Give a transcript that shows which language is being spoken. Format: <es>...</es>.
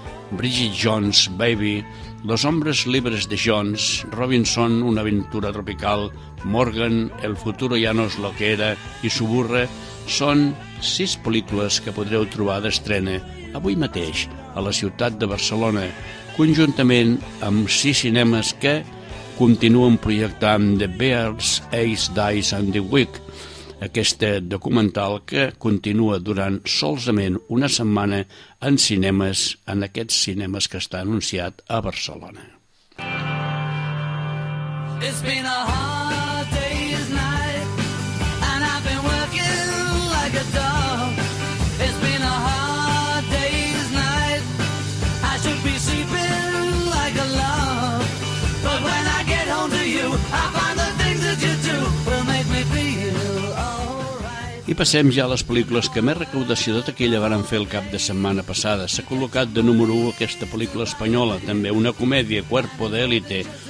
<ca>Bridget Jones, Baby, Los hombres libres de Jones, Robinson, una aventura tropical, Morgan, El futuro ya no es lo que era i Suburra són sis pel·lícules que podreu trobar d'estrena avui mateix a la ciutat de Barcelona, conjuntament amb sis cinemes que continuen projectant The Bears, Ace, Dice and the Week, aquesta documental que continua durant solament una setmana en cinemes, en aquests cinemes que està anunciat a Barcelona.</ca> <en>It's been a hard day's night and I've been working like a dog. It's been a hard day's night. I should be sleeping like a log. But when I get home to you, I find the things that you do will make me feel alright.</en> <ca>I passem ja a les pel·lícules que més recaudació de taquilla varen fer el cap de setmana passada. S'ha col·locat de número 1 aquesta pel·lícula espanyola, també una comèdia, Cuerpo de Élite.</ca>